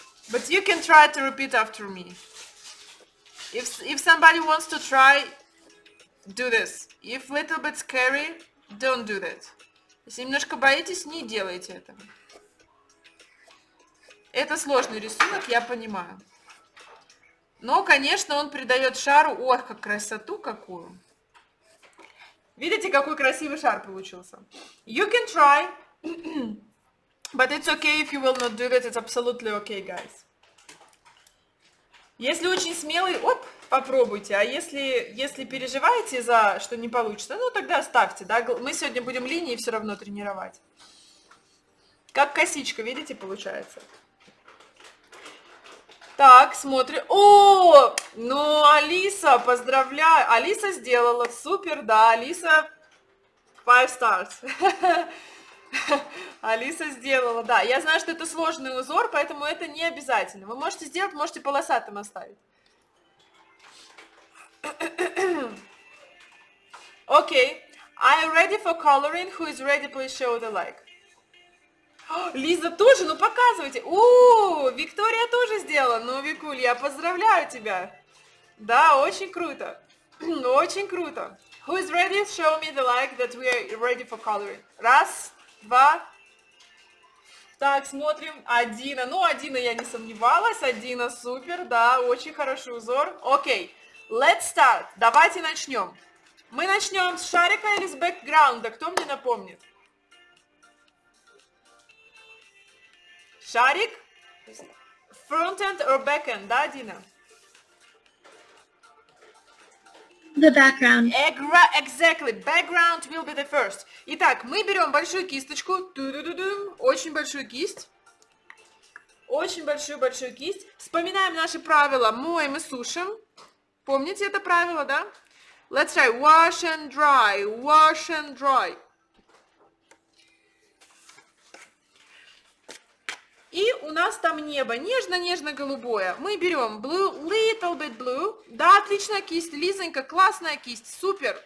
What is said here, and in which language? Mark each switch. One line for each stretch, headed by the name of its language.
English: But you can try to repeat after me. If somebody wants to try, do this. If a little bit scary, don't do that.
Russian: Если немножко боитесь, не делайте этого. Это сложный рисунок, я понимаю. Но, конечно, он придает шару, ох, как красоту какую. Видите, какой красивый шар получился?
English: You can try, but it's okay if you will not do that. It's absolutely okay, guys.
Russian: Если очень смелый, оп, попробуйте. А если переживаете за что не получится, ну тогда оставьте, да? Мы сегодня будем линии все равно тренировать. Как косичка, видите, получается. Так, смотрим. О, ну, Алиса, поздравляю. Алиса сделала. Супер, да, Алиса.
English: 5 stars.
Russian: Алиса сделала, да. Я знаю, что это сложный узор, поэтому это не обязательно. Вы можете сделать, можете полосатым оставить.
English: Окей. Okay. I am ready for coloring. Who is ready, please show the like.
Russian: Лиза тоже, ну показывайте. О, Виктория тоже сделала. Ну, Викуль, я поздравляю тебя. Да, очень круто. Очень круто.
English: Who is ready? Show me the like that we are ready for coloring.
Russian: Раз, два. Так, смотрим. Адина. Ну, Адина, я не сомневалась. Адина, супер, да, очень хороший узор. Окей,
English: let's start.
Russian: Давайте начнем. Мы начнем с шарика или с бэкграунда. Кто мне напомнит? Шарик,
English: front-end or back-end,
Russian: да, Дина?
English: The background. Exactly, background will be the first.
Russian: Итак, мы берем большую кисточку, очень большую кисть, очень большую-большую кисть. Вспоминаем наши правила, моем и сушим. Помните это правило, да?
English: Let's try, wash and dry, wash and dry.
Russian: И у нас там небо нежно-нежно-голубое. Мы берем
English: blue, little bit blue.
Russian: Да, отличная кисть, Лизонька, классная кисть, супер.